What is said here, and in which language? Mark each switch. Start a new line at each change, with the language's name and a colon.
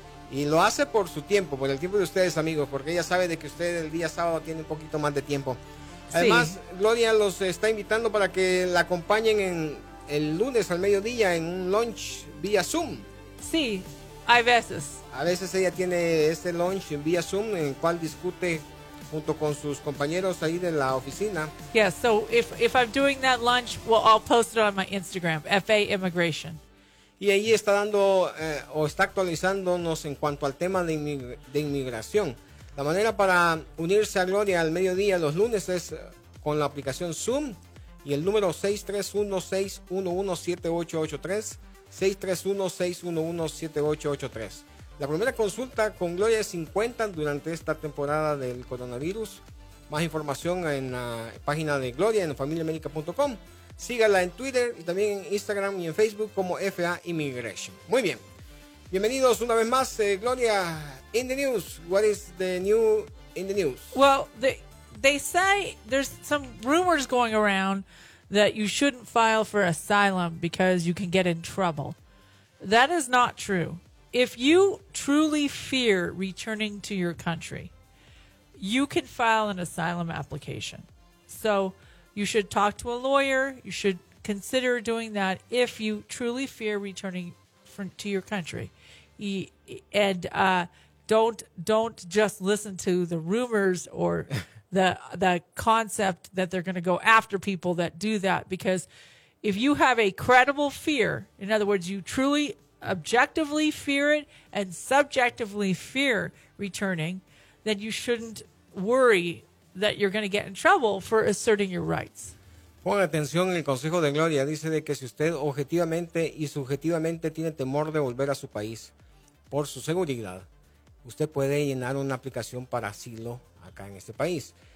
Spanish: Y lo hace por su tiempo, por el tiempo de ustedes, amigos, porque ella sabe de que usted el día sábado tiene un poquito más de tiempo. Además, sí. Gloria los está invitando para que la acompañen en el lunes al mediodía en un lunch vía Zoom. Sí, hay veces. A veces ella tiene ese lunch en vía Zoom en el cual discute junto con sus compañeros ahí de la oficina.
English: Yeah, so if I'm doing that lunch, well, I'll post it on my Instagram, FA Immigration.
Spanish: Y ahí está dando o está actualizándonos en cuanto al tema de inmigración. La manera para unirse a Gloria al mediodía los lunes es con la aplicación Zoom y el número 631-611-7883, 631-611-7883. La primera consulta con Gloria es 50 durante esta temporada del coronavirus. Más información en la página de Gloria en familiamedica.com. Sígala en Twitter y también en Instagram y en Facebook como FA Immigration. Muy bien. Bienvenidos una vez más, Gloria.
English: In the news, what is the new in the news? Well, they say there's some rumors going around that you shouldn't file for asylum because you can get in trouble. That is not true. If you truly fear returning to your country, you can file an asylum application. So you should talk to a lawyer. You should consider doing that if you truly fear returning to your country. And don't just listen to the rumors or the concept that they're going to go after people that do that. Because if you have a credible fear, in other words, you truly objectively fear it and subjectively fear returning, then you shouldn't worry that you're going to get in trouble for asserting your rights.
Spanish: Pon atención, el consejo de Gloria dice de que si usted objetivamente y subjetivamente tiene temor de volver a su país por su seguridad, usted puede llenar una aplicación para asilo acá en este país.